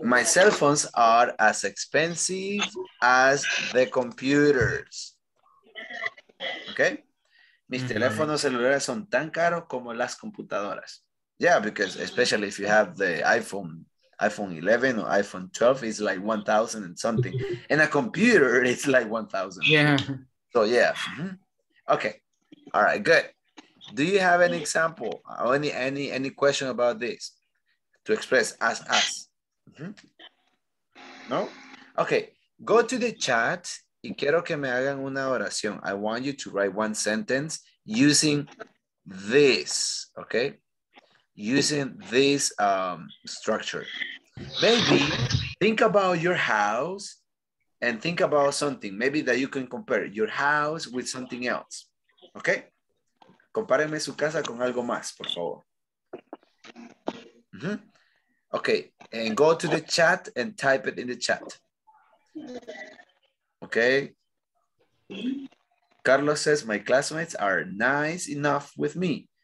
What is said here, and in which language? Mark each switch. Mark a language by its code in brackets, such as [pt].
[en] My cell phones are as expensive as the computers. Okay. [es] Mis teléfonos celulares son tan caros como las computadoras. [en] Yeah, because especially if you have the iPhone 11 or iPhone 12, it's like 1,000 and something. And a computer, it's like 1,000. Yeah. So, yeah. Okay. All right, good. Do you have any example or any question about this to express as? No? Okay. Go to the chat [es] y quiero que me hagan una oración. [en] I want you to write one sentence using this, okay? Using this structure. Maybe think about your house and think about something, maybe that you can compare your house with something else. Okay? [es] Compárenme su casa con algo más, por favor. [en] Okay, and go to the chat and type it in the chat. Okay? Carlos says, my classmates are nice enough with me.